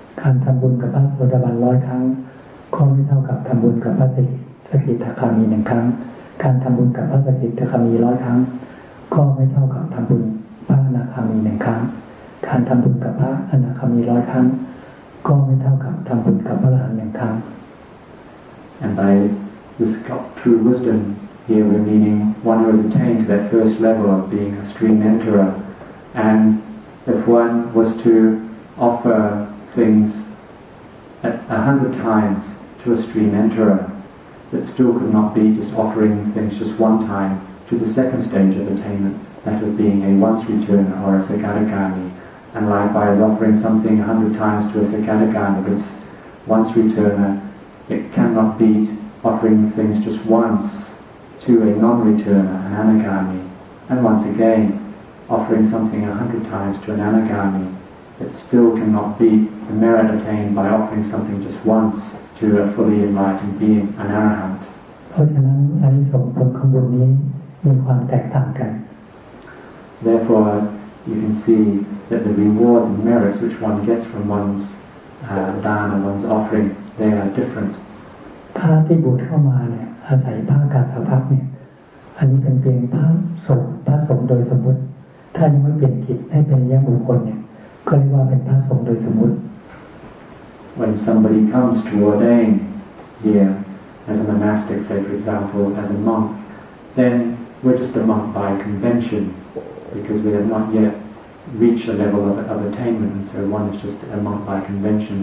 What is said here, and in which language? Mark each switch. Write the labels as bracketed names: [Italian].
[Thai] การทำบุญกับพระโสดาบัน100ครั้งก็ไม่เท่ากับทำบุญกับพระสกิทาคามี1ครั้งการทำบุญกับพระสกิทาคามี100ครั้งก็ไม่เท่ากับทำบุญพระอนาคามี1ครั้งการทำบุญกับพระอนาคามี100ครั้งก็ไม่เท่ากับทำบุญกับพระอรหันต์1ครั้ง [English] And by this true wisdom here we're meaning one who has attained that first level of being a stream enterer and if one was to offer things 100 times to a stream enterer that still could not be just offering things just one time to the second stage of attainment that of being a once returner or a sakadagami and likewise offering something 100 times to a sakadagami this once returner it cannot be offering things just once to a non-returner an anagami and once again offering something 100 times to an anagami it still cannot be the merit attained by offering something just once to a fully enlightened being, an arahant. [Thai] เพราะฉะนั้นอานิสงส์ผลของบุญนี้มีความแตกต่างกัน [English] Therefore, you can see that the rewards and merits which one gets from one's dana, one's offering, they are different. [Thai] ถ้าที่บุญเข้ามาเนี่ยอาศัยพระกาสาวพักเนี่ยอันนี้เป็นเพียงพระสงฆ์พระสงฆ์โดยสมมติถ้ายังไม่เปลี่ยนจิตให้เป็นอริยบุคคลเนี่ยก็เรียกว่าเป็นพระสงฆ์โดยสมมติ [English] When somebody comes to ordain here as a monastic, say for example, as a monk, then we're just a monk by convention because we have not yet reached a level of attainment, and so one is just a monk by convention.